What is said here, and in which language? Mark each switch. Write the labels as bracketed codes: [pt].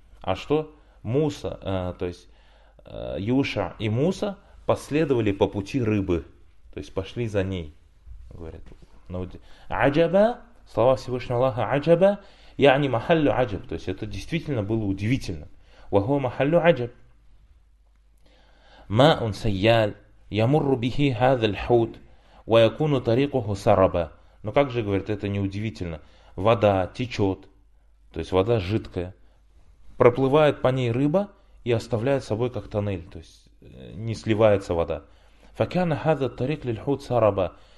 [ru] А что Муса, то есть Юша и Муса последовали по пути рыбы, то есть пошли за ней. Говорит, аджаба, слова Всевышнего Аллаха, [ar] аджаба, яни махаллю аджаб. [ru] То есть это действительно было удивительно. [ar] وهو محل عجب ماء سيال يمر به هذا الحوت ويكون طريقه سربا. [ru] Ну как же, говорит, это неудивительно. Вода течет, то есть вода жидкая, проплывает по ней рыба и оставляет собой как тоннель, то есть не сливается вода. [ar] فكان هذا الطريق للحوت سربا.